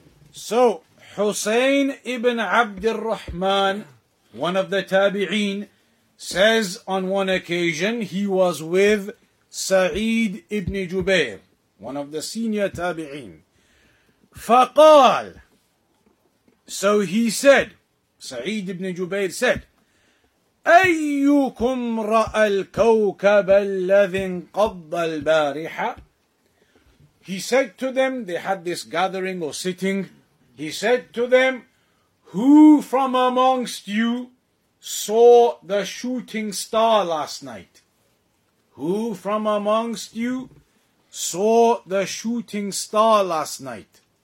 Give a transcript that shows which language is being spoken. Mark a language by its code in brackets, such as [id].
[en] So, Husayn ibn Abd al-Rahman, one of the Tabi'een, says on one occasion he was with Sa'id ibn Jubayr, one of the senior Tabi'een. [ar] Faqal. [en] So he said, Sa'id ibn Jubayr said, [ar] أيكم رأى الكوكب الذي انقض البارحة? [en] He said to them, they had this gathering or sitting, he said to them, who from amongst you saw the shooting star last night? Who from amongst you saw the shooting star last night?